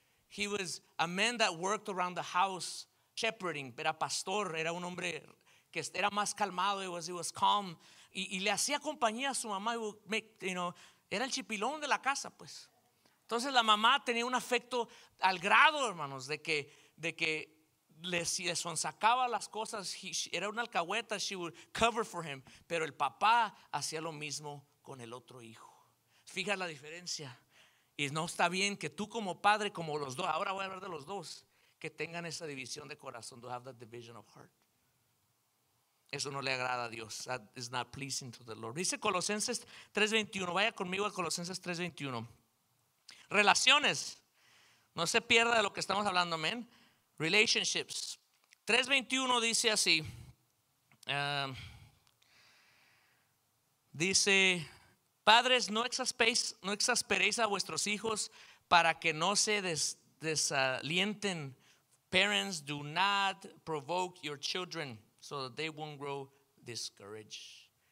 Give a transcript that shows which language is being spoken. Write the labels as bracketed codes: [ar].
[en] He was a man that worked around the house, shepherding, [es] era pastor, era un hombre que era más calmado, [en] he was calm. [es] Y le hacía compañía a su mamá, [en] he would make, you know, [es] era el chipilón de la casa, pues. Entonces la mamá tenía un afecto al grado, hermanos, de que le sonsacaba las cosas. Era una alcahueta, [en] she would cover for him. [es] Pero el papá hacía lo mismo con el otro hijo. Fija la diferencia. Y no está bien que tú como padre, como los dos, ahora voy a hablar de los dos, que tengan esa división de corazón. [en] To have that division of heart. [es] Eso no le agrada a Dios. [en] That is not pleasing to the Lord. [es] Dice Colosenses 3:21. Vaya conmigo a Colosenses 3:21. Relaciones. No se pierda de lo que estamos hablando, amén. [en] Relationships. [es] 3:21 dice así. Dice: padres, no exasperéis a vuestros hijos para que no se desalienten. [en] Parents, do not provoke your children so that they won't grow discouraged.